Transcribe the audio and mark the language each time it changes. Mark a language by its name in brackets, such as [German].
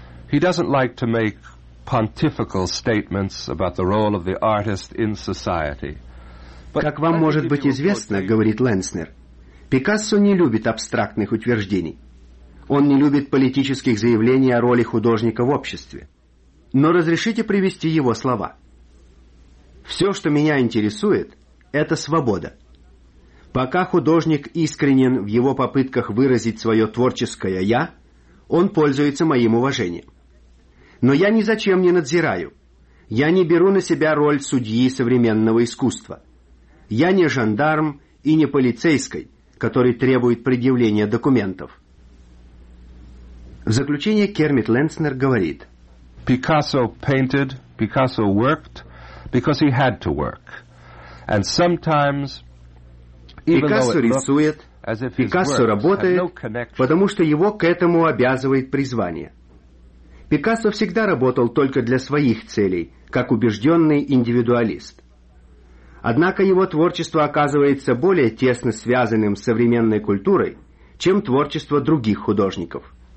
[English] He doesn't like to make pontifical statements about the role of the artist in society. But [Russian] как вам может быть известно, говорит Ленснер, Пикассо не любит абстрактных утверждений. Он не любит политических заявлений о роли художника в обществе. Но разрешите привести его слова. «Все, что меня интересует, это свобода». Пока художник искренен в его попытках выразить свое творческое «я», он пользуется моим уважением. Но я ни за чем не надзираю. Я не беру на себя роль судьи современного искусства. Я не жандарм и не полицейский, который требует предъявления документов. В заключение Кермит Ленцнер говорит: [English] Picasso painted, Picasso worked, because he had to work. And sometimes, [Russian] Пикассо рисует, Пикассо работает, потому что его к этому обязывает призвание. Пикассо всегда работал только для своих целей, как убежденный индивидуалист. Однако его творчество оказывается более тесно связанным с современной культурой, чем творчество других художников.